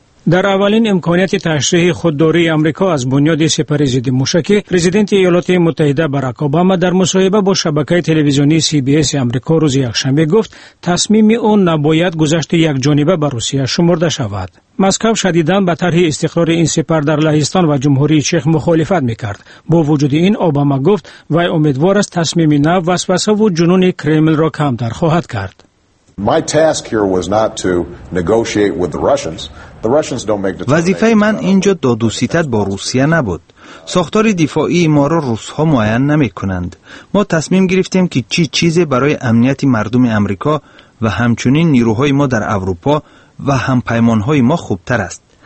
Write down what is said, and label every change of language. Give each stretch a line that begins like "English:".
Persian: در اولین امکانیت تشریح خودداری امریکا از بنیاد سپری ضد موشکی، پرزیدنت ایالات متحده باراک اوباما در مصاحبه با شبکه تلویزیونی سی بی اس امریکا روز یکشنبه گفت تصمیم اون نباید گذشت یک جانبه به روسیه شمرده شود. مسکو شدیداً به طرح استقرار این سپر در لهستان و جمهوری چخ مخالفت میکرد. با وجود این اوباما گفت وی امیدوار است تصمیم نو وسوسه و جنون کرمل را کمتر خواهد کرد.
English: My task here was not to negotiate with the Russians. The Russians don't make determinations.
Persian: وظیفه من اینجا داد و ستد با روسیه نبود. ساختار دفاعی ما را روس‌ها معین نمی‌کنند. ما تصمیم گرفتیم که چی چیزی برای امنیت مردم آمریکا و همچنین نیروهای ما در اروپا و همپیمان‌های ما خوبتر است.